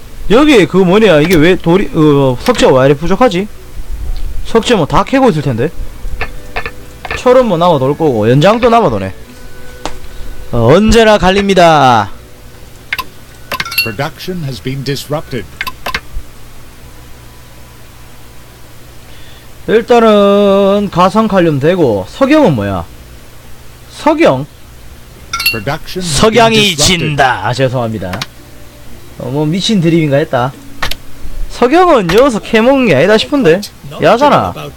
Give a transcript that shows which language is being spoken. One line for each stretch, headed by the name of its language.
Korean: 여기 그 뭐냐, 이게 왜 돌이 석재 왜 이렇게 부족하지? 석재 뭐 다 캐고 있을 텐데. 철은 뭐 남아 돌 거고 연장도 남아 도네. 언제나 갈립니다.
English: Production has been disrupted.
Korean: 일단은 가성 칼륨 되고 석영은 뭐야? 석영? 석양이 진다. 아, 죄송합니다. 뭐 미친 드림인가 했다. 석영은 여기서 캐먹은 게 아니다 싶은데. 야잖아.